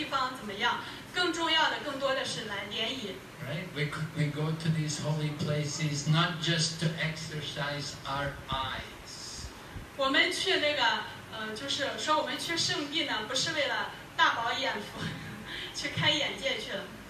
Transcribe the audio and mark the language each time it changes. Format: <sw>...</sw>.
<zh>我们来呢，不是到，不仅仅是说到这来观光，看看这个地方怎么样，更重要的，更多的是来联谊。</zh> <en>Right? We go to these holy places not just to exercise our eyes.</en> <zh>我们去那个。就是说我们去圣地呢，不是为了大饱眼福，去开眼界去了。</zh>